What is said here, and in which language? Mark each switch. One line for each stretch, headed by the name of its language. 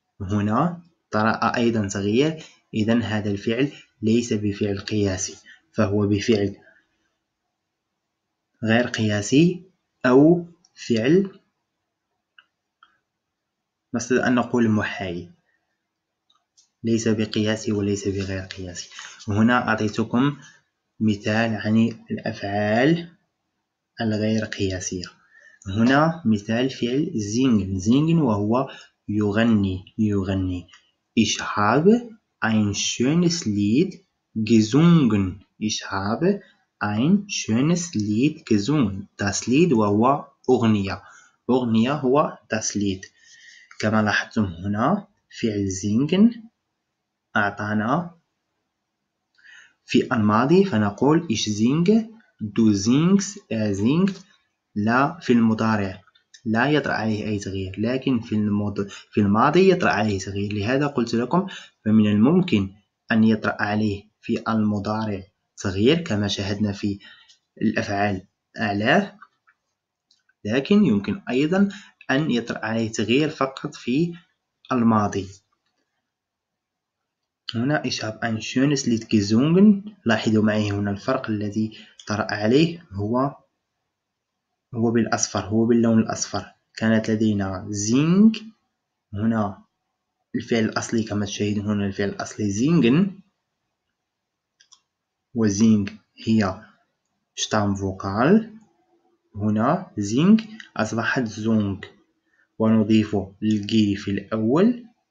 Arabic: هنا طرأ أيضا تغيير، إذن هذا الفعل ليس بفعل قياسي، فهو بفعل غير قياسي أو فعل نستطيع أن نقول محايد، ليس بقياسي وليس بغير قياسي. هنا أعطيتكم مثال عن الأفعال الغير قياسية. هنا مثال فعل زينغن، زينغن وهو يغني، يغني.
German: Ich habe ein schönes Lied gesungen. Ich habe ein schönes Lied gesungen.
Arabic: Das Lied وهو أغنية، أغنية هو das Lied. كما لاحظتم هنا فعل زينغن أعطانا في الماضي، فنقول
German: Ich singe, du singst, er singt.
Arabic: لا في المضارع لا يطرأ عليه أي تغيير، لكن في الماضي يطرأ عليه تغيير. لهذا قلت لكم فمن الممكن أن يطرأ عليه في المضارع تغيير كما شاهدنا في الأفعال أعلاه، لكن يمكن أيضا أن يطرأ عليه تغيير فقط في الماضي. هنا
German: Ich habe ein schönes Lied gesungen.
Arabic: لاحظوا معي هنا الفرق الذي طرأ عليه، هو بالأصفر، هو باللون الأصفر. كانت لدينا زينغ، هنا الفعل الأصلي كما تشاهدون هنا الفعل الأصلي زينغن، وزينغ هي شتام فوكال، هنا زينغ أصبحت زونغ، ونضيف الجي في الأول.